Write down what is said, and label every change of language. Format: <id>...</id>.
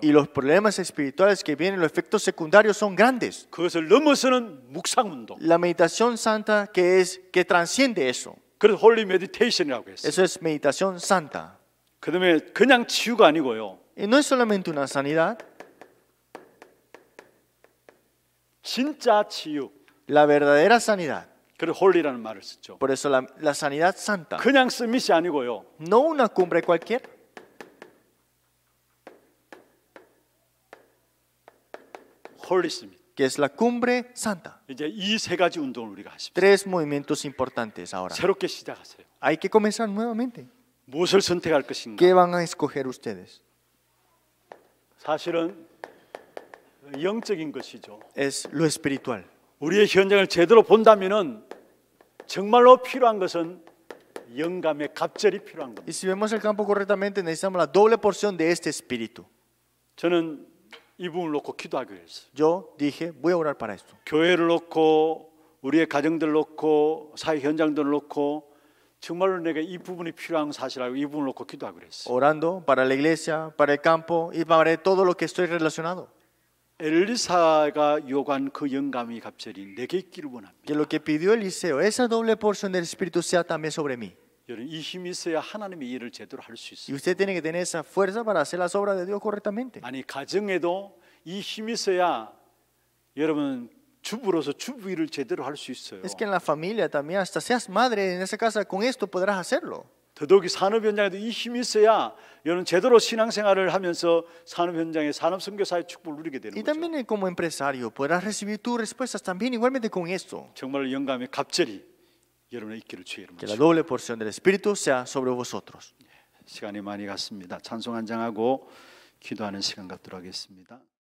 <es>Y los problemas espirituales que vienen, los efectos secundarios son grandes.</es> <ko>그것을 넘어서는 묵상 운동.</ko> <es>La meditación santa que es que transciende eso.</es> <ko>그래서</ko> <en>holy meditation</en> <ko>이라고 했어.</ko> <es>Eso es meditación santa.</es> <ko>그다음에 그냥 치유가 아니고요.</ko> <es>Y no es solamente una sanidad.</es> <ko>진짜 치유.</ko> <es>La verdadera sanidad.</es> <ko>그래서 홀리라는 말을 쓰죠.</ko> <es>Por eso la sanidad santa.</es> <ko>그냥 스미시 아니고요.</ko> <es>No una cumbre cualquiera.</es> <ko>홀리스미스.</ko> <es>Que es la cumbre santa.</es> <ko>이제 이 세 가지 운동을 우리가 하십시오.</ko> <es>Tres movimientos importantes ahora.</es> <ko>새롭게 시작하세요.</ko> <es>Hay que comenzar nuevamente.</es> <ko>무엇을 선택할 것인가?</ko> <es>¿Qué van a escoger ustedes?</es> <ko>사실은 영적인 것이죠.</ko> <es>Es lo espiritual.</es> <ko>우리의 현장을 제대로 본다면은 정말로 필요한 것은 영감의 갑절이 필요한 겁니다.</ko> <es>Y si vemos el campo correctamente, necesitamos la doble porción de este espíritu.</es> <ko>저는 이 부분을 놓고 기도하기로 했어요.</ko> <es>Yo dije, voy a orar para esto.</es> <ko>교회를 놓고 우리의 가정들 놓고 사회 현장들 놓고 정말로 내가 이 부분이 필요한 사실하고 이 부분을 놓고 기도하기로 했어요.</ko> <es>Orando para la iglesia, para el campo y para todo lo que estoy relacionado.</es> <ko>엘리사가 요구한 그 영감이 갑절이 내게 있기를 원합니다.</ko> <es>Que lo que pidió Eliseo, esa doble porción del Espíritu sea también sobre mí.</es> <ko>여러분, 이 힘이 있어야 하나님의 일을 제대로 할 수 있어요.</ko> <es>Y usted tiene que tener esa fuerza para hacer las obras de Dios correctamente.</es> <ko>아니, 가정에도 이 힘이 있어야 여러분 주부로서 주부 일을 제대로 할 수 있어요.</ko> <es>Es que en la familia también, hasta seas madre en esa casa, con esto podrás hacerlo.</es> <ko>더더욱이 산업 현장에도 이 힘이 있어야 여러분 제대로 신앙생활을 하면서 산업 현장의 산업 선교사의 축복을 누리게 되는 거죠.</ko> <es>Y también como empresario podrás recibir tus respuestas también igualmente con esto.</es> <ko>정말 영감의 갑절이 여러분의 있기를 주여 여러분.</ko> <es>Que la doble porción del espíritu sea sobre vosotros.</es> <ko>시간이 많이 갔습니다. 찬송 한 장하고 기도하는 시간 갖도록 하겠습니다.</ko>